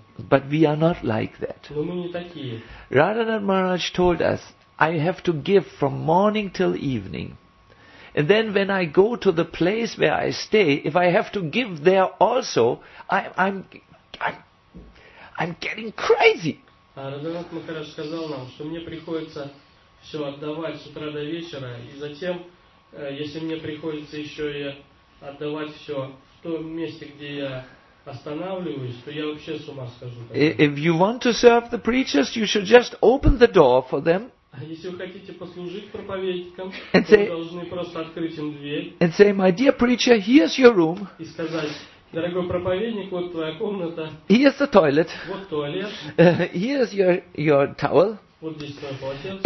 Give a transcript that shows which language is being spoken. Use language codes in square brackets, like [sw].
[en] But we are not like that. Radhanath Maharaj told us, I have to give from morning till evening. And then when I go to the place where I stay, if I have to give there also, I'm getting crazy. [ru] Радханат Махарадж сказал нам, что мне приходится все отдавать с утра до вечера, и затем, если мне приходится еще и отдавать все в том месте, где я останавливаюсь, то я вообще с ума схожу. [en] If you want to serve the preachers, you should just open the door for them. [ru] Если вы хотите послужить проповедникам, вы должны просто открыть им дверь. [en] And say, my dear preacher, here's your room. [ru] И сказать, дорогой проповедник, вот твоя комната. [en] Here's the toilet. [ru] Вот туалет. [en] Here's your towel. [ru] Вот здесь твое полотенце.